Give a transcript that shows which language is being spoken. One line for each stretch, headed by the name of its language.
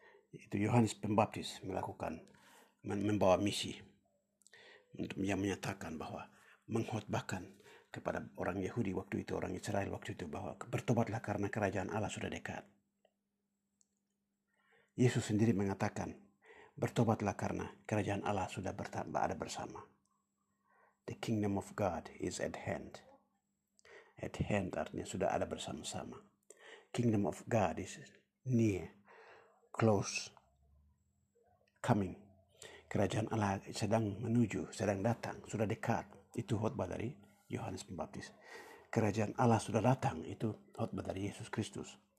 Indonesian: Itu Yohanes Pembaptis melakukan, membawa misi untuk menyatakan bahwa, mengkhotbahkan kepada orang Yahudi waktu itu, orang Israel waktu itu, bahwa bertobatlah karena kerajaan Allah sudah dekat. Yesus sendiri mengatakan bertobatlah karena kerajaan Allah sudah ada bersama.
English: The kingdom of God is at hand.
Indonesian: At hand artinya sudah ada bersama-sama.
English: Kingdom of God is near, close, coming.
Indonesian: Kerajaan Allah sedang menuju, sedang datang, sudah dekat. Itu khotbah dari Yohanes Pembaptis. Kerajaan Allah sudah datang, itu khotbah dari Yesus Kristus.